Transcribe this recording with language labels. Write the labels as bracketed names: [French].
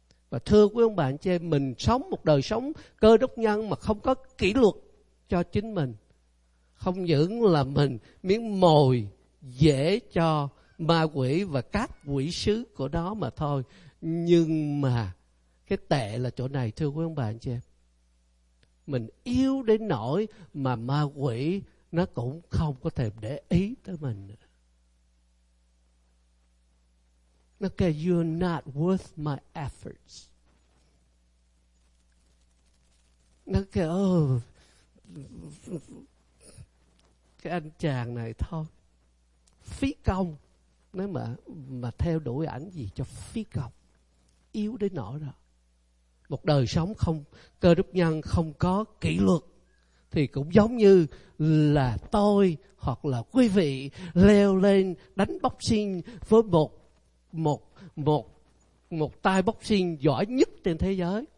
[Vietnamese] Và thưa quý ông bạn chị em, mình sống một đời sống cơ đốc nhân mà không có kỷ luật cho chính mình, không những là mình miếng mồi dễ cho ma quỷ và các quỷ sứ của nó mà thôi, nhưng mà cái tệ là chỗ này, thưa quý ông bạn chị em, mình yếu đến nỗi mà ma quỷ nó cũng không có thèm để ý tới mình nữa. [English] Okay, you're not worth my efforts. [Vietnamese] Okay, oh, cái anh chàng này thôi, phí công. Nếu mà theo đuổi ảnh gì cho phí công, yếu đến nỗi đó. Một đời sống không cơ đốc nhân, không có kỷ luật, thì cũng giống như là tôi hoặc là quý vị leo lên đánh boxing với một tay boxing giỏi nhất trên thế giới.